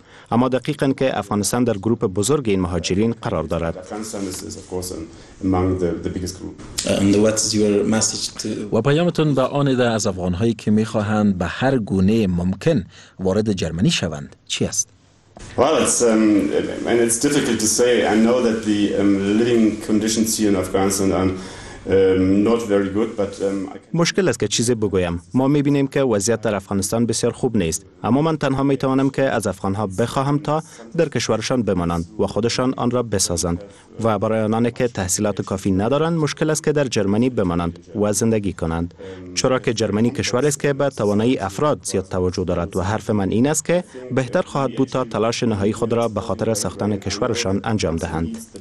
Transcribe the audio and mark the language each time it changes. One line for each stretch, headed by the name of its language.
Persian: اما دقیقاً که افغانستان در گروه بزرگ این مهاجرین قرار دارد. و پیامتون به آن ده از افغان هایی که میخواهند به هر گونه ممکن وارد جرمنی شوند چی است؟
English: Well, it's difficult to say. I know that the living conditions here in Afghanistan are not very good, but
Persian: مشکل است که چیزی بگویم. ما می‌بینیم که وضعیت در افغانستان بسیار خوب نیست. اما من تنها می‌توانم که از افغان‌ها بخواهم تا در کشورشان بمانند و خودشان آن را بسازند. و برای آنان که تحصیلات کافی ندارند، مشکل است که در جرمنی بمانند و زندگی کنند. چرا که جرمنی کشوری است که به توانایی افراد زیاد توجه دارد و حرف من این است که بهتر خواهد بود تا تلاش نهایی خود را به خاطر ساختن کشورشان انجام دهند.